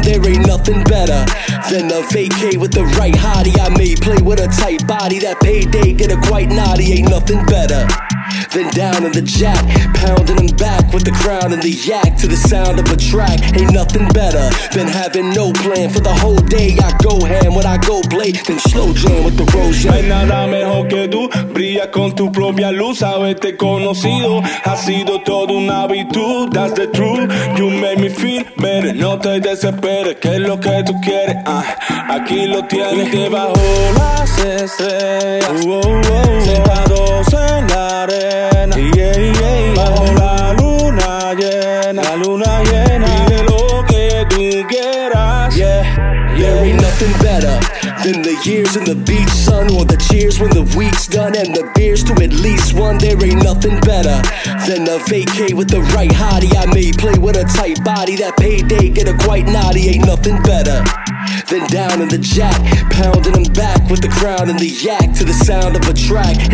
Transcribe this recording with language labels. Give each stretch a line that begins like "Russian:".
English: There ain't nothing better than a vacay with the right hottie. I may play with a tight body, that payday get a quite naughty. Ain't nothing better than down in the jack, pounding them back with the crown and the yak to the sound of a track. Ain't nothing better than having no plan for the whole day. I go ham when I go play, then slow jam with the rose.
Spanish: No hay nada mejor que tú, brilla con tu propia luz. Haberte conocido ha sido toda una virtud.
English: That's the truth, you made me feel better.
Spanish: No te desesperes, que es lo que tú quieres. Aquí lo tienes. Y debajo las estrellas, sentados en la arena, bajo la luna llena, pide lo que tú quieras.
English: There ain't nothing better than the years in the beach sun, or the cheers when the week's done and the beers to at least one. There ain't nothing better than a vacay with the right hottie. I may play with a tight body, that payday get a quite naughty. Ain't nothing better than down in the jack, pounding them back with the crown and the yak to the sound of a track.